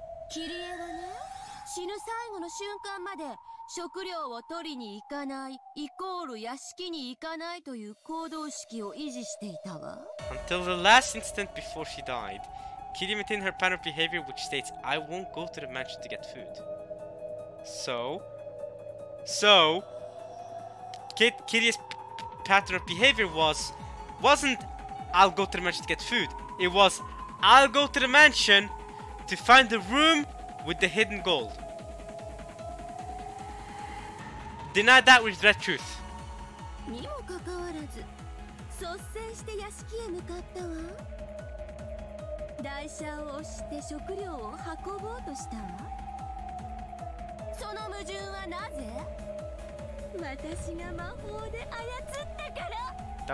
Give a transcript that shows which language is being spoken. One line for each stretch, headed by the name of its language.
Japanese: キリエはね、死ぬ最後の瞬間まで食料を取りに行かない、イコール屋敷に行かないという行動式を維持していたわ。
English: Until the last instant before she died, Kyrie maintained her pattern of behavior which states, I won't go to the mansion to get food. So, Kyrie's pattern of behavior wasn't, I'll go to the mansion to get food. It wasI'll go to the mansion to find the room with the hidden gold. Deny that with red truth.
Japanese: にもかかわらず、率先して屋敷へ向かったわ。台車を押して食料を運ぼうとしたわ。その矛盾はなぜ？私が魔法で操ったから。